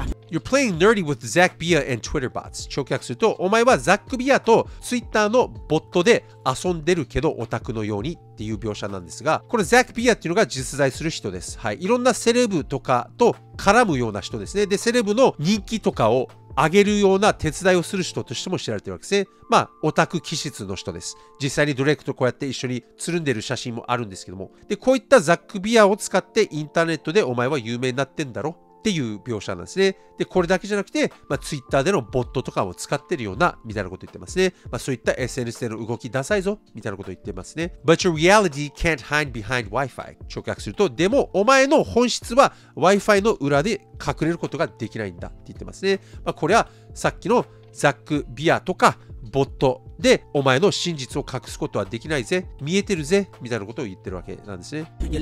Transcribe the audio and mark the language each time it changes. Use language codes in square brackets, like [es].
[en] You're playing nerdy with Zach Bia and Twitter bots. [ja] 直訳すると、お前はザックビアとツイッターのボットで遊んでるけどオタクのようにっていう描写なんですが、このザックビアっていうのが実在する人です。はい、いろんなセレブとかと絡むような人ですね。で、セレブの人気とかを上げるような手伝いをする人としても知られてるわけですね。まあ、オタク気質の人です。実際にドレイクとこうやって一緒につるんでる写真もあるんですけども。で、こういったザックビアを使ってインターネットでお前は有名になってんだろっていう描写なんですね。で、これだけじゃなくて、まあ、ツイッターでのボットとかも使ってるような、みたいなこと言ってますね。まあ、そういった SNS での動きダサいぞ、みたいなこと言ってますね。 [en] But your reality can't hide behind Wi-Fi. [ja] 直訳すると、でも、お前の本質は Wi-Fi の裏で隠れることができないんだって言ってますね。まあ、これは、さっきのザック・ビアとか、ボットでお前の真実を隠すことはできないぜ、見えてるぜみたいなことを言ってるわけなんですね。